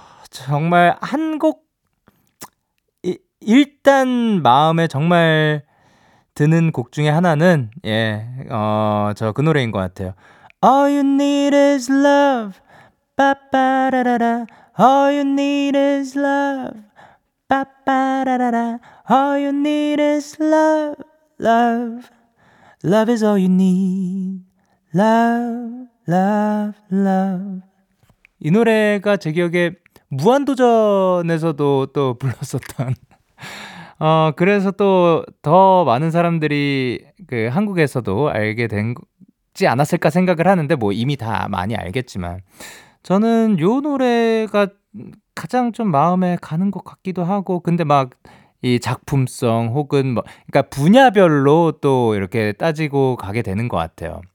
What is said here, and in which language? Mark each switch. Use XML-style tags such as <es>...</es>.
<ko>정말 한 곡 일단 마음에 정말 드는 곡 중에 하나는 저 그 노래인 것 같아요.</ko> <en>All you need is love 빠빠라라라 All you need is love 빠빠라라라 All you need is love, love. Love is all you need. Love, love, love.</en> <ko>이 노래가 제 기억에 무한도전에서도 또 불렀었던 그래서 또 더 많은 사람들이 그 한국에서도 알게 된지 않았을까 생각을 하는데 뭐 이미 다 많이 알겠지만 저는 요 노래가 가장 좀 마음에 가는 것 같기도 하고 근데 막 이 작품성 혹은 뭐 그러니까 분야별로 또 이렇게 따지고 가게 되는 것 같아요.</ko>